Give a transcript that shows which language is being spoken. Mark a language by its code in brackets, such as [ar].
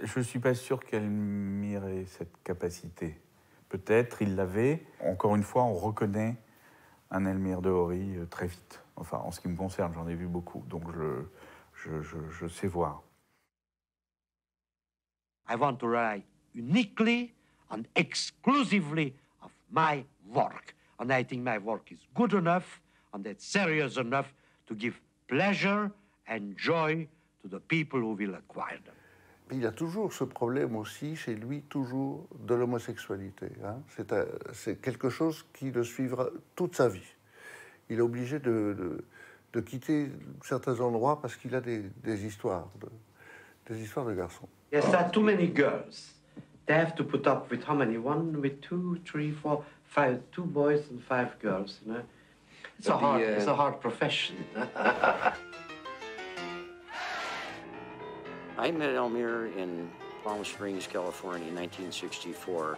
[fr] Je suis pas sûr qu'elle mirait cette capacité. Peut-être il l'avait. Encore une fois, on reconnaît un Elmyr de Hory très vite. Enfin, en ce qui me concerne, j'en ai vu beaucoup, donc je sais voir. [en] I want to rely uniquely and exclusively of my work, and I think my work is good enough and that serious enough to give pleasure and joy to the people who will acquire them. [fr] Il a toujours ce problème aussi, chez lui, toujours, de l'homosexualité. Hein. C'est quelque chose qui le suivra toute sa vie. Il est obligé de quitter certains endroits parce qu'il a des histoires de garçons. [en] Yes, there are too many girls. They have to put up with how many? One, with two, three, four, five, two boys and five girls. You know? It's a hard profession. I met Elmyr in Palm Springs, California in 1964.